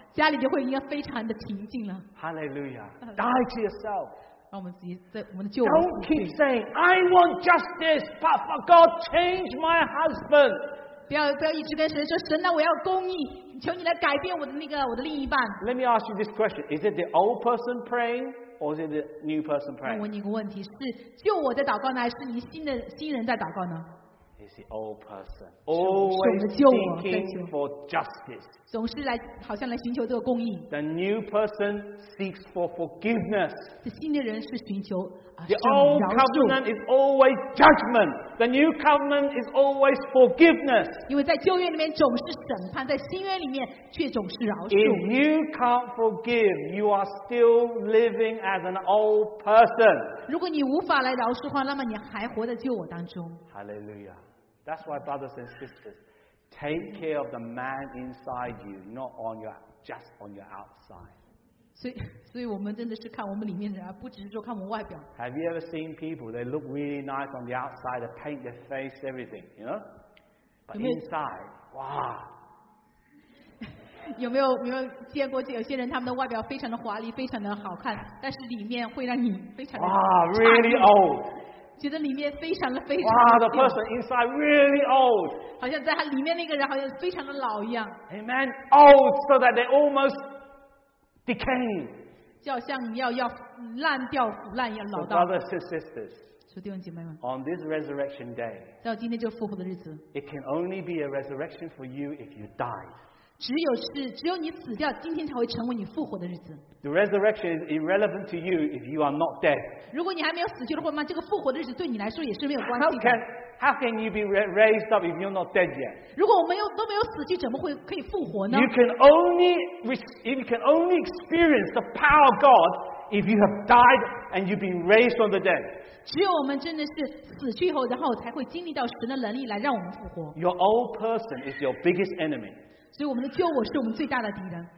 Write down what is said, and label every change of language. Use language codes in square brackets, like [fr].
[zh] 家里就会应该非常的平静了。 [en] Hallelujah. Die to yourself. [zh] 让我们自己在我们的旧。 [en] Don't keep saying I want justice, but for God, change my husband. [zh] 不要一直跟神说神呐，我要公义，求你来改变我的那个我的另一半。 [en] Let me ask you this question: Is it the old person praying, or is it the new person praying? [zh] 我问你一个问题：是旧我在祷告呢，还是你新人在祷告呢？ [en] It's the old person always seeking for justice. [zh] 总是来好像来寻求这个公义。 [en] The new person seeks for forgiveness. [zh] 这新的人是寻求啊。 [en] The old covenant is always judgment. The new covenant is always forgiveness. [zh] 因为在旧约里面总是审判，在新约里面却总是饶恕。 [en] If you can't forgive, you are still living as an old person. [zh] 如果你无法来饶恕的话，那么你还活在旧我当中。 [en] Hallelujah. That's why, brothers and sisters, take care of the man inside you, not on your, just on your outside. [zh] 所以我们真的是看我们里面的人，不只是说看我们外表。 [en] Have you ever seen people? They look really nice on the outside, they paint their face, everything, you know? But inside, wow! [zh] 有没有见过有些人，他们的外表非常的华丽，非常的好看，但是里面会让你非常的差异。 [en] Wow, really old. [zh] 觉得里面非常的非常的。 [en] Wow, the person inside really old. [zh] 好像在他里面那个人好像非常的老一样。 [en] Amen. Old so that they almost decaying. [zh] 就好像要烂掉腐烂一样老到。 [en] So brothers and sisters. [zh] 所以弟兄姐妹们。 [en] On this resurrection day. [zh] 到今天这个复活的日子。 [en] It can only be a resurrection for you if you die. [zh] 只有你死掉，今天才会成为你复活的日子。 [en] The resurrection is irrelevant to you if you are not dead. [zh] 如果你还没有死去的话，那这个复活的日子对你来说也是没有关系的。 [en] How can you be raised up if you're not dead yet? [zh] 如果我们都没有死去，怎么会可以复活呢 [en] ？You can only experience the power of God if you have died and you've been raised from the dead. [zh] 只有我们真的是死去以后，然后才会经历到神的能力来让我们复活。 [en] Your old person is your biggest enemy. [zh] 所以我们的旧我是我们最大的敌人。